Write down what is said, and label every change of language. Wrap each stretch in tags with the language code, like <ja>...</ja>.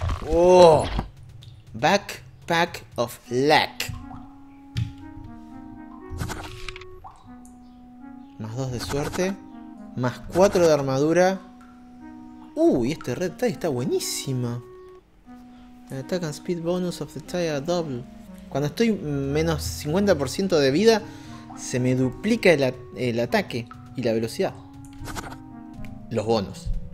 <en>¡Oh! Backpack of luck.</en> <es>Más 2 de suerte. Más 4 de armadura. ¡Uy! Este red tie está buenísimo.</es> <en>Attack and speed bonus of the tie are double.</en> <es>Cuando estoy menos 50% de vida, se me duplica el ataque y la velocidad. Los bonos.</es>